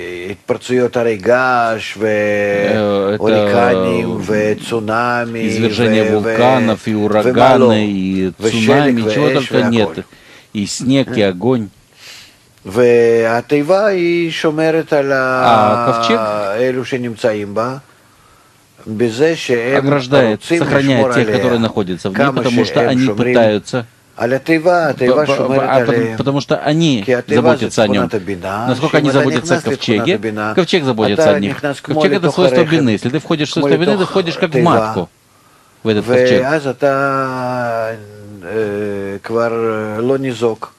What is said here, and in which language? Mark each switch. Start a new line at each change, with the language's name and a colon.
Hebrew: התפרצויות הרגש והוריקנים וצונאמי
Russian: извержение вулканов и ураганы и цунами чего только нет и снег и огонь
Hebrew: והתיבה היא שומרת על אלו שנמצאים בה בזה שהם
Russian: ограждает, сохраняет тех, которые находятся в ней, потому что они пытаются. Потому что они заботятся о нем. Насколько они заботятся о ковчеге, ковчег заботится о них. Ковчег — это свойство бины. Если ты входишь в свойство бины, ты входишь как в матку в этот ковчег.